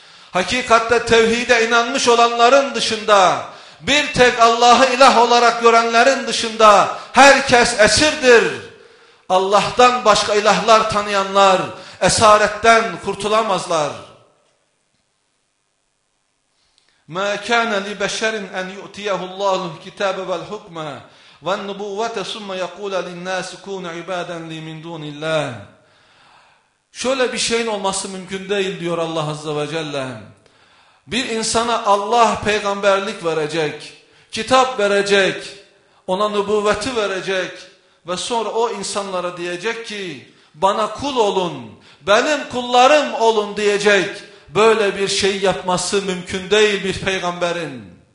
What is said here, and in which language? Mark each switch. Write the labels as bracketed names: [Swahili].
[Turkish] Hakikatte tevhide inanmış olanların dışında, bir tek Allah'ı ilah olarak görenlerin dışında herkes esirdir. Allah'tan başka ilahlar tanıyanlar esaretten kurtulamazlar. [Arabic] مَا كَانَ لِبَشَرٍ اَنْ يُؤْتِيَهُ اللّٰهُ الْكِتَابَ وَالْحُكْمَ وَالنُّبُوَّةَ سُمَّ يَقُولَ لِلنَّاسِ كُونَ عِبَادًا لِي مِنْ دُونِ اللّٰهِ [Turkish] Şöyle bir şeyin olması mümkün değil diyor Allah Azze ve Celle. Bir insana Allah peygamberlik verecek, kitap verecek, ona nübüvveti verecek ve sonra o insanlara diyecek ki bana kul olun, benim kullarım olun diyecek. Böyle bir şey yapması mümkün değil bir peygamberin.